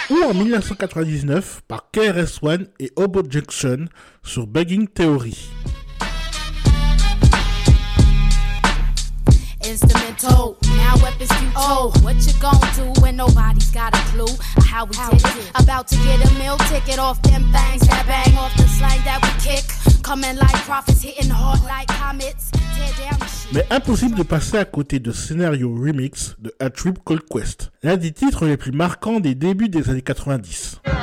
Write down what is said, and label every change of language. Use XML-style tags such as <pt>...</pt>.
<fr>En 1999 par KRS-One et Hobo Junction sur Bugging Theory.</fr> <en>Instrumental, now weapons too old. What you gonna do when nobody's got a clue how we did it? About to get a meal ticket off them bangs that bang off the slang that we kick. Coming like prophets, hitting hard like comets.</en> <fr>Mais impossible de passer à côté de Scenario Remix de A Trip Called Quest, l'un des titres les plus marquants des débuts des années 90.</fr>